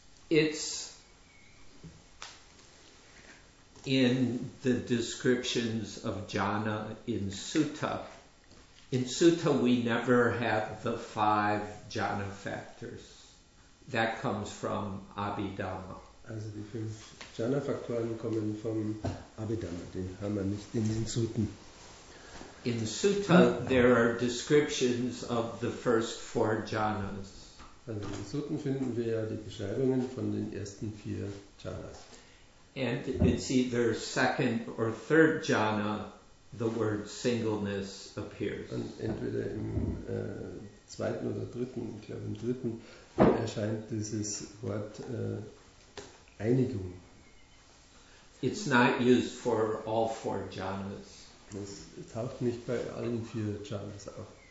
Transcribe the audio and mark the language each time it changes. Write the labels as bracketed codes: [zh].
[en] It's in the descriptions of jhana in sutta. In sutta, we never have the five jhana factors. That comes from Abhidhamma. [de] Also die fünf jhana Faktoren kommen vom Abhidhamma. Den haben wir nicht in den Sutten. [en] In the sutta, there are descriptions of the first four jhanas. [de] Also in den Sutten finden wir ja die Beschreibungen von den ersten vier jhanas. [en] And it's either second or third jhana, the word singleness appears. [de] Und entweder im zweiten oder dritten, ich glaube im dritten, erscheint dieses Wort Einigung. [en] It's not used for all four jhanas. [de] Das taucht nicht bei allen vier Jhanas auf.